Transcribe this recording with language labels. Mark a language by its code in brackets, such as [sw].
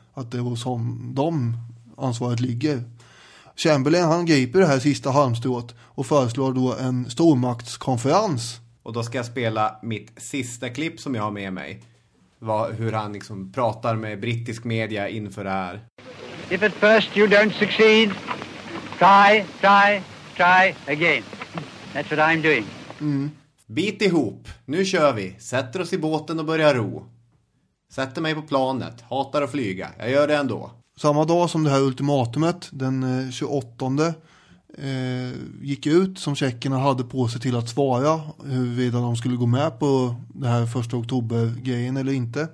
[sv] Att det är hos honom, dem ansvaret ligger. Chamberlain, han griper det här sista halmstrået och föreslår då en stormaktskonferens. Och då ska jag spela mitt sista klipp som jag har med mig. Hur han liksom pratar med brittisk media inför det här. [en] If at first you don't succeed, try, try, try again. That's what I'm doing. Mm. [sv] Bit ihop. Nu kör vi. Sätter oss i båten och börjar ro. Sätter mig på planet. Hatar att flyga. Jag gör det ändå. Samma dag som det här ultimatumet, den 28, gick ut som tjeckerna hade på sig till att svara huruvida de skulle gå med på det här 1 oktober-grejen eller inte.